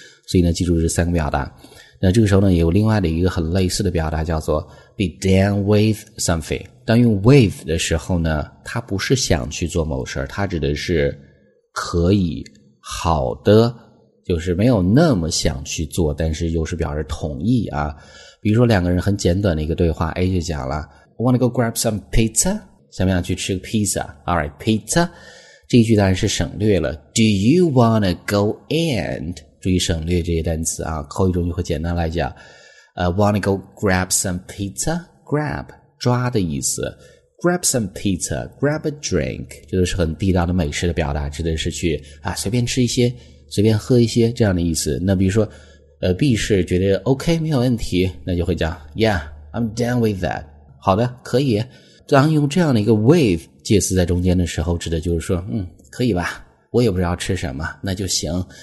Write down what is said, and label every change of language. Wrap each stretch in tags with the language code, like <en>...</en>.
<zh>所以呢记住这三个表达。那这个时候呢也有另外的一个很类似的表达叫做</zh> <en>be down with something,</en> <zh>当用 with 的时候呢它不是想去做某事，它指的是可以好的，就是没有那么想去做，但是又是表示同意啊。比如说两个人很简短的一个对话， A 就讲了</zh> <en>I want to go grab some pizza,</en> <zh>想不想去吃个 pizza? Alright, pizza, 这一句当然是省略了。</zh> <en>Do you want to go and,</en> <zh>注意省略这些单词啊，口语中就会简单来讲。</zh> <en>Want to go grab some pizza, grab,</en> <zh>抓的意思。</zh> <en>Grab some pizza, grab a drink,</en> <zh>这都是很地道的美食的表达，指的是去啊随便吃一些，随便喝一些这样的意思。那比如说B 是觉得 OK, 没有问题，那就会讲</zh> <en>Yeah, I'm down with that.</en> <zh>好的，可以。当用这样的一个 with 介词在中间的时候，指的就是说可以吧，我也不知道吃什么，那就行。</zh>